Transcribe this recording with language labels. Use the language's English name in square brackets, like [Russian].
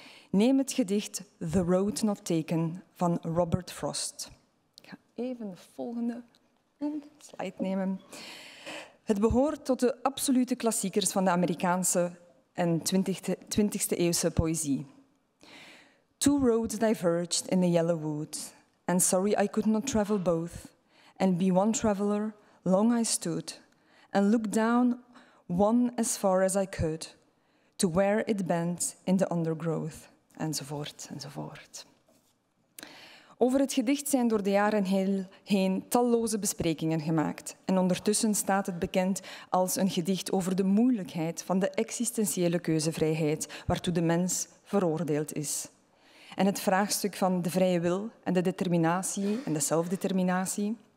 [Dutch] Neem het gedicht The Road Not Taken van Robert Frost. Ik ga even de volgende slide nemen. Het behoort tot de absolute klassiekers van de Amerikaanse en 20e-eeuwse poëzie. [English] Two roads diverged in the yellow wood, and sorry I could not travel both, and be one traveler, long I stood, and looked down one as far as I could, to where it bent in the undergrowth, [Dutch] enzovoort, enzovoort. Over het gedicht zijn door de jaren heen talloze besprekingen gemaakt, en ondertussen staat het bekend als een gedicht over de moeilijkheid van de existentiële keuzevrijheid waartoe de mens veroordeeld is. En het vraagstuk van de vrije wil en de determinatie en de zelfdeterminatie.